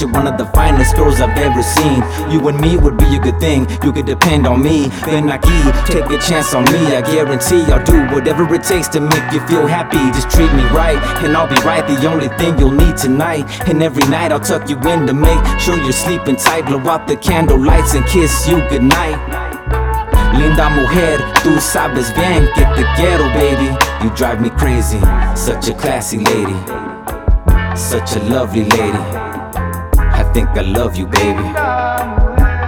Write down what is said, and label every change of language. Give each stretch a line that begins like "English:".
English: You're one of the finest girls I've ever seen. You and me would be a good thing, you could depend on me. Then I key, take a chance on me. I guarantee I'll do whatever it takes to make you feel happy. Just treat me right, and I'll be right. The only thing you'll need tonight, and every night I'll tuck you in to make sure you're sleeping tight. Blow out the candle lights and kiss you goodnight.
Spanish: Linda mujer, tú sabes bien que te quiero, baby.
English: You drive me crazy, such a classy lady, such a lovely lady. I think I love you, baby.